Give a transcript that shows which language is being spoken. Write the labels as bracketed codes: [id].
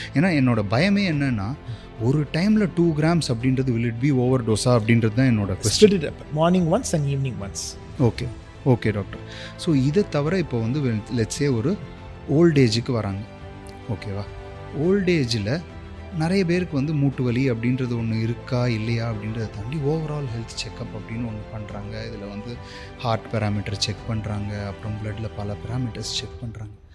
[ta] Ena enoda bayame enna na ஒரு டைமில் 2 grams அப்படின்றது [en] will it be overdose [ta] அப்படின்றது தான் என்னோட [en] question. Split it up, morning once and evening once. Okay. Okay doctor. [ta] So இதை தவிர இப்போ வந்து லெட்ஸே ஒரு ஓல்டேஜுக்கு வராங்க, ஓகேவா? ஓல்டேஜில் நிறைய பேருக்கு வந்து மூட்டு வலி அப்படின்றது ஒன்று இருக்கா இல்லையா அப்படின்றத தாண்டி ஓவரால் ஹெல்த் செக்அப் அப்படின்னு ஒன்று பண்ணுறாங்க. இதில் வந்து ஹார்ட் பேராமீட்டர் செக் பண்ணுறாங்க, அப்புறம் பிளட்டில் பல பேராமீட்டர்ஸ் செக் பண்ணுறாங்க.